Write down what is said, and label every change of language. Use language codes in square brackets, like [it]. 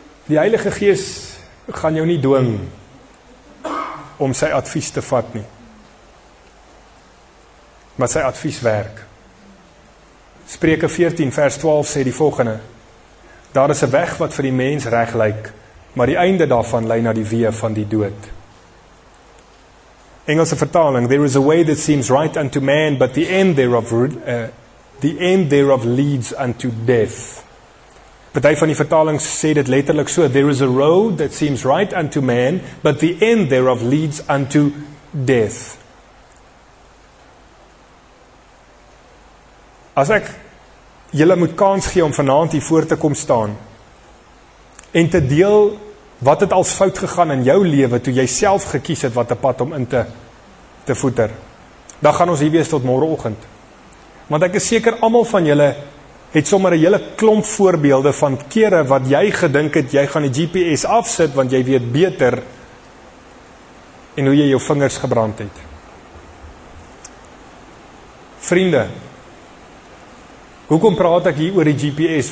[af] Die Heilige Gees gaan jou nie dwing om sy advies te vat nie, maar sy advies werk. Spreuke 14 vers 12 sê die volgende: daar is 'n weg wat vir die mens reg lyk, maar die einde daarvan lei na die weë van die dood. Engelse vertaling: [en] there is a way that seems right unto man, but the end thereof the end thereof leads unto death. Party van die vertalings sê dit letterlik so, there is a road that seems right unto man, but the end thereof leads unto death. [af] As ek julle moet kans gee om vanavond hier voor te kom staan, en te deel wat het als fout gegaan in jou lewe, toe jy self gekies het wat die pad om in te voeter, dan gaan ons hier wees tot morgenoggend. Want ek is seker allemaal van julle, het sommer een hele klomp voorbeelde van kere wat jy gedink het, jy gaan die GPS afsit, want jy weet beter, en hoe jy jou vingers gebrand het. Vriende, hoekom praat ek hier oor die GPS?